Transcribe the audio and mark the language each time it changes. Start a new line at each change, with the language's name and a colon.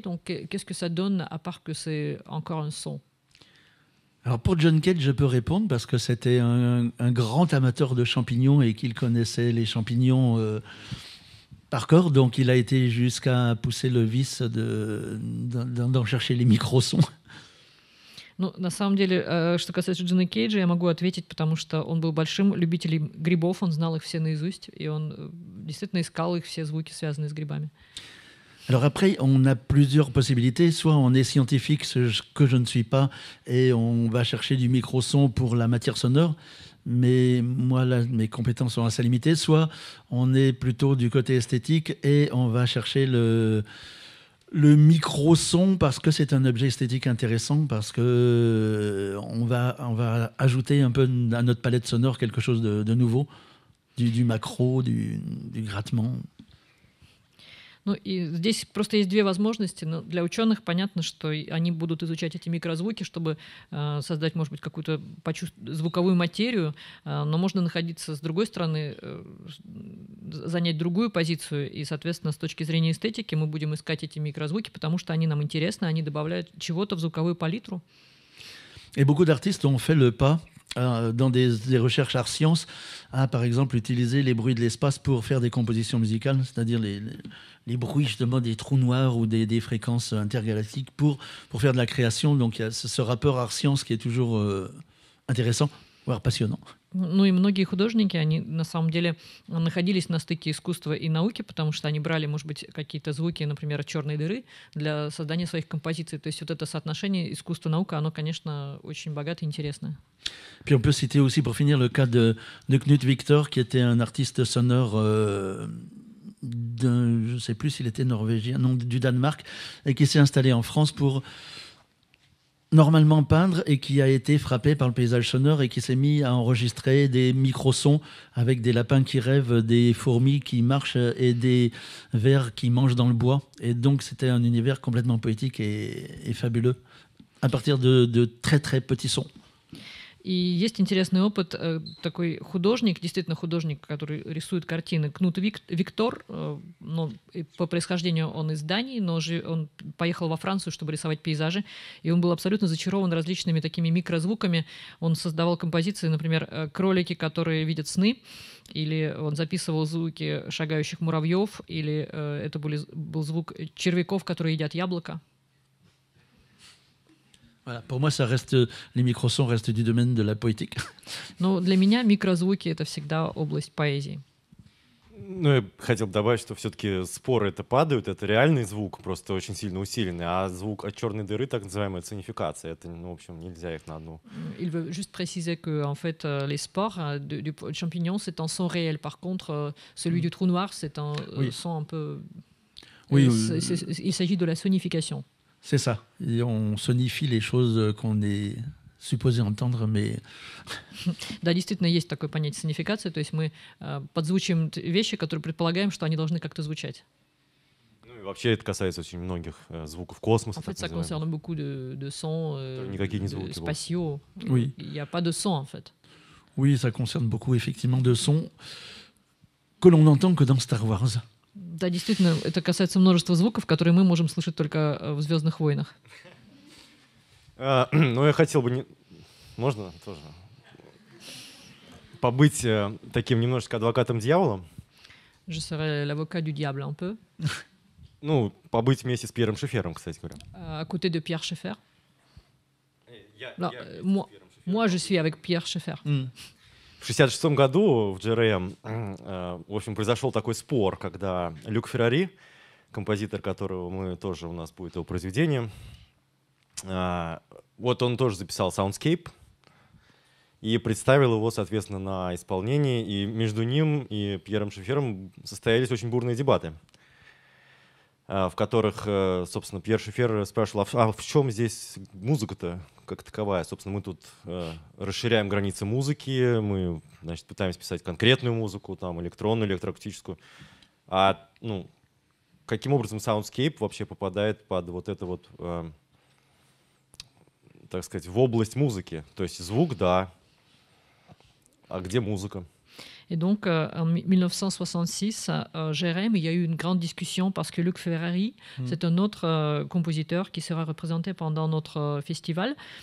French: Donc qu'est-ce que ça donne à part que c'est encore un son? Alors pour John Cage, je peux répondre parce que c'était un grand amateur de champignons et qu'il connaissait les champignons par cœur. Donc il a été jusqu'à pousser le vice d'en chercher les microsons.
Russian: Ну, на самом деле, что касается Джона Кейджа, я могу ответить, потому что он был большим любителем грибов, он знал их все наизусть и он действительно искал их все звуки, связанные с грибами.
French: Alors après, on a plusieurs possibilités. Soit on est scientifique, ce que je ne suis pas, et on va chercher du micro-son pour la matière sonore. Mais moi, là, mes compétences sont assez limitées. Soit on est plutôt du côté esthétique et on va chercher le micro-son parce que c'est un objet esthétique intéressant, parce qu'on va ajouter un peu à notre palette sonore quelque chose de nouveau, du macro, du grattement.
Russian: Ну и здесь просто есть две возможности. Но для ученых понятно, что они будут изучать эти микрозвуки, чтобы создать, может быть, какую-то звуковую материю. Но можно находиться с другой стороны, занять другую позицию. И, соответственно, с точки зрения эстетики мы будем искать эти микрозвуки, потому что они нам интересны, они добавляют чего-то в звуковую палитру.
French: И beaucoup d'artistes ont fait le pas dans des recherches art science, à par exemple utiliser les bruits de l'espace pour faire des compositions musicales, c'est-à-dire les bruits justement des trous noirs ou des fréquences intergalactiques pour faire de la création. Donc il y a ce rapport art science qui est toujours intéressant, voire passionnant.
Russian: Ну и многие художники, они на самом деле находились на стыке искусства и науки, потому что они брали, может быть, какие-то звуки, например, черной дыры для создания своих композиций. То есть вот это соотношение искусства-наука, оно, конечно, очень богато и интересное.
French: Puis on peut citer aussi pour finir le cas de Knut Victor, qui était un artiste sonore, je ne sais plus s'il était norvégien, non, du Danemark, et qui s'est installé en France pour normalement peindre et qui a été frappé par le paysage sonore et qui s'est mis à enregistrer des microsons avec des lapins qui rêvent, des fourmis qui marchent et des vers qui mangent dans le bois. Et donc c'était un univers complètement poétique et fabuleux. à partir de très très petits sons.
Russian: И есть интересный опыт. Такой художник, действительно художник, который рисует картины, Кнут Виктор, но по происхождению он из Дании, но же он поехал во Францию, чтобы рисовать пейзажи, и он был абсолютно зачарован различными такими микрозвуками. Он создавал композиции, например, кролики, которые видят сны, или он записывал звуки шагающих муравьев, или это был звук червяков, которые едят яблоко.
French: Voilà, pour moi, ça reste, les microsons restent du domaine de la poétique.
Russian: Но для меня микрозвуки это всегда область поэзии. Ну, я хотел бы добавить, что все-таки споры это падают, это реальный звук, просто очень сильно усиленный, а звук от черной дыры, так называемая цинификация, это, ну, в общем, нельзя их на одну.
French: Il veut juste préciser que, en fait, les spores du champignon, c'est un son réel. Par contre, celui du trou noir, c'est un son un peu... Oui. Il s'agit de la sonification. C'est ça. Et on sonifie les choses qu'on est supposé entendre, mais...
Russian: Да, действительно, есть такое понятие сонификации, то есть мы подзвучим вещи, которые предполагаем, что они должны как-то звучать. Ну и вообще это касается очень многих звуков космоса, так называемых.
French: En fait, ça concerne beaucoup de sons...
Russian: Никакие не звуки.
French: ...спасиaux. Oui. Il n'y a pas de son, en fait. Oui, ça concerne beaucoup, effectivement, de sons que l'on n'entend que dans Star Wars.
Russian: Да, действительно, это касается множества звуков, которые мы можем слышать только в «Звездных войнах». Ну, я хотел бы... Можно тоже? Побыть таким немножечко адвокатом дьявола?
French: Je serai l'avocat du diable un peu.
Russian: Ну, побыть вместе с Пьером Шефером, кстати говоря.
French: À côté de Pierre Schaeffer.
Russian: Я
French: moi, je suis avec Pierre Schaeffer.
Russian: В 66-м году в JRM, в общем, произошел такой спор, когда Люк Феррари, композитор которого мы тоже, у нас будет его произведение, вот он тоже записал Soundscape и представил его, соответственно, на исполнении, и между ним и Пьером Шефером состоялись очень бурные дебаты, в которых, собственно, Пьер Шефер спрашивал, а в чем здесь музыка-то как таковая? Собственно, мы тут расширяем границы музыки, мы, значит, пытаемся писать конкретную музыку, там, электронную, электроакустическую. А, ну, каким образом Soundscape вообще попадает под вот это вот, так сказать, в область музыки? То есть звук, да, а где музыка?
French: Et donc, en 1966, JRM, il y a eu une grande discussion parce que Luc Ferrari, c'est un autre compositeur qui sera représenté pendant notre festival.